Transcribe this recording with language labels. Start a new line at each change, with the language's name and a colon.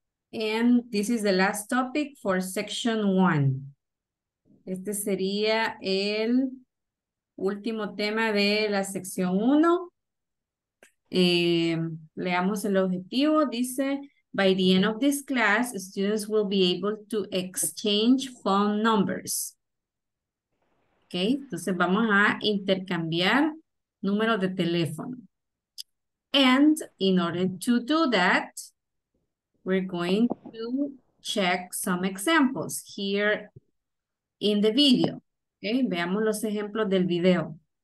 English: And this is the last topic for section one.
Spanish: Este sería el último tema de la sección 1. Leamos el objetivo. Dice,
English: by the end of this class, students will be able to exchange phone numbers.
Spanish: Ok, entonces vamos a intercambiar números de teléfono.
English: And in order to do that, we're going to check some examples here in the video.
Spanish: Okay, veamos los ejemplos del video.